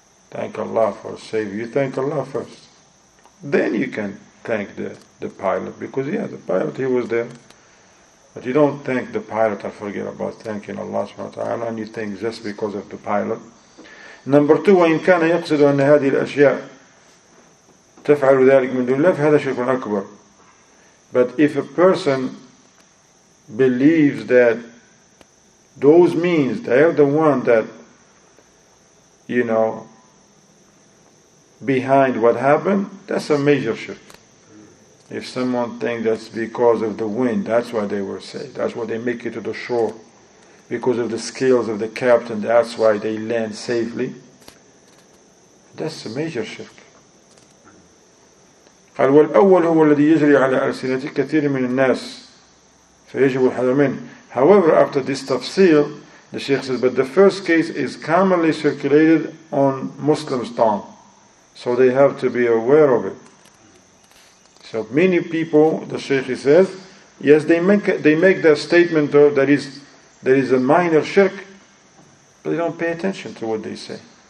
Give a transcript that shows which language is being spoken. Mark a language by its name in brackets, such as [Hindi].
[English] Thank Allah for saving you. Thank Allah first. Then you can thank the pilot. Because, yeah, the pilot, he was there. But you don't thank the pilot. I forget about thanking Allah subhanahu wa ta'ala. And you think just because of the pilot. Number two, [Arabic] وَإِنْ كَانَ يَقْصِدُ أَنَّ هَذِهِ الْأَشْيَاءِ تَفْعَلُ ذَلِكْ مِنْ دُونِ اللَّهِ فَهَذَا شِرْكٌ أَكْبَرٌ. [English] But if a person believes that those means, they're the one that, you know, behind what happened, that's a major shift. If someone thinks that's because of the wind, that's why they were saved. That's why they make it to the shore. Because of the skills of the captain, that's why they land safely. That's a major shift. [Arabic] قال والأول هو الذي يجري على ألسنة كثير من الناس فيجب الحذر منه. [English] However, after this tafsir, the Sheikh says, but the first case is commonly circulated on Muslims' tongue. So they have to be aware of it. So many people, the Sheikh says, yes, they make that statement though, that is a minor shirk, but they don't pay attention to what they say.